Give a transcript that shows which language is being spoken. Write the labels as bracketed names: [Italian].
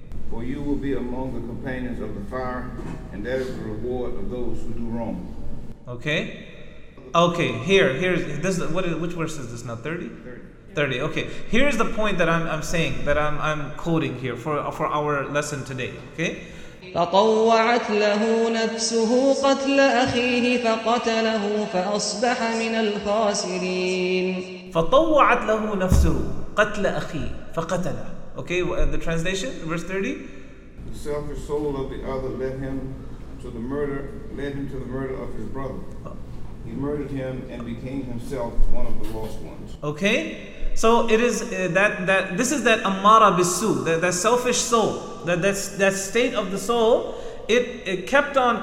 [English] For you will be among the companions of the fire, and that is the reward of those who do wrong. Okay. Okay, which verse is this now? 30? 30, okay. Here's the point that I'm quoting here for our lesson today, okay? [Arabic] فطوعت له نفسه قتل أخيه فقتله فأصبح من الخاسرين. فطوعت له نفسه قتل أخيه فقتله. [English] Okay, the translation, verse 30. The selfish soul of the other led him to the murder of his brother. He murdered him and became himself one of the lost ones. Okay. So it is that amara bisu, that selfish soul, that state of the soul, it kept on.